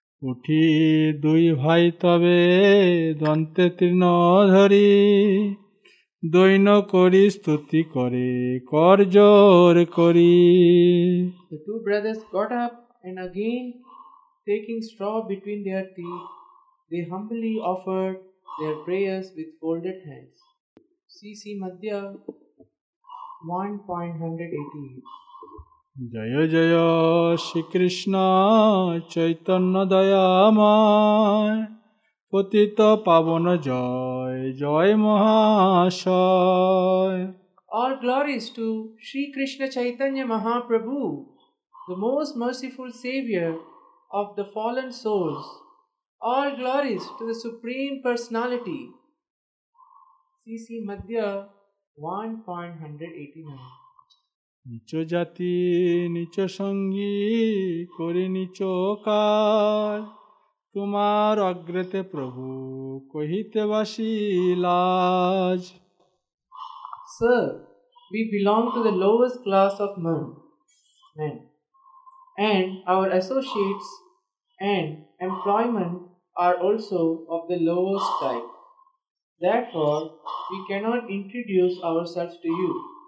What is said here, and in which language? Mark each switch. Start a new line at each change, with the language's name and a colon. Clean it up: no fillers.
Bangla: উঠি দুই ভাই তবে দন্তে তীর্ণ ধরি দৈন করি স্তুতি করে কর জোর করি
English: The two brothers got up and again taking straw between their teeth they humbly offered their prayers with folded hands CC Madhya 1.188
Bangla: জয় জয় শ্রীকৃষ্ণ চৈতন্য দয়াময় পতিত পাবন জয় জয় মহাশয়
English: All glories to Shri Krishna Chaitanya Mahaprabhu, the most merciful savior of the fallen souls. All glories to the Supreme Personality. C.C. Madhya 1.189
Bangla: নিচ জাতি নিচ সঙ্গী করি নিচ কাজ তোমার অগ্রেতে প্রভু কহিতে বাসি লাজ
English: Sir, we belong to the lowest class of men, and our associates and employment are also of the lowest type. Therefore, we cannot introduce ourselves to you.